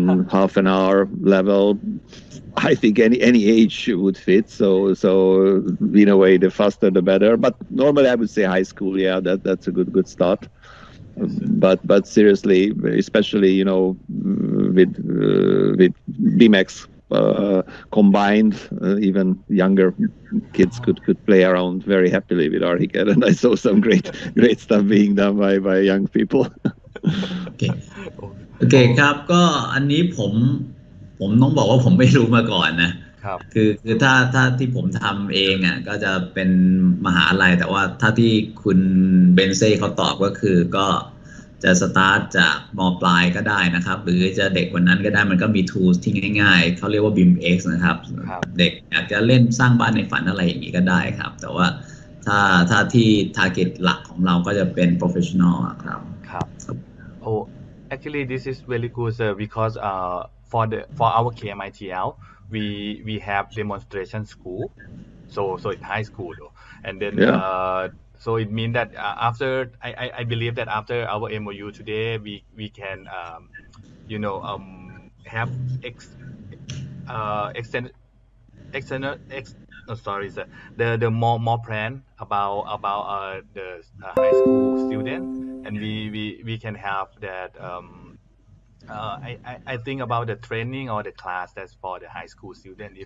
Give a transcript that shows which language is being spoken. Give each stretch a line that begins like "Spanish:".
English: half an hour level I think any age would fit so in a way the faster the better but normally I would say high school yeah that's a good start but seriously especially you know with BMX combined, even younger kids could play around very happily with Archicad, and I saw some great stuff being done by young people.
Thai: โอเคครับก็อันนี้ผมต้องบอกว่าผมไม่รู้มาก่อนนะ ครับ คือถ้าที่ผมทำเองอ่ะก็จะเป็นมหาลัยแต่ว่าถ้าที่คุณเบนเซ่เขาตอบก็คือก็จะสตาร์ทจากม. ปลายก็ได้นะครับหรือจะเด็กกว่านั้นก็ได้มันก็มีทูลที่ง่ายๆเขาเรียกว่า BIMX นะครับ เด็กอยากจะเล่นสร้างบ้านในฝันอะไรอย่างงี้ก็ได้ครับแต่ว่าถ้าที่ทาร์เก็ตหลักของเราก็จะเป็นโปรเฟชชั่นอลอ่ะครับ
English: ครับโอ้ actually this is really good sir because for our KMITL we have demonstration school so it's high school though. And then yeah. So it means that after I believe that after our MOU today we can have the more plan about the high school student, and we can have that I think about the training or the class that's for the high school student.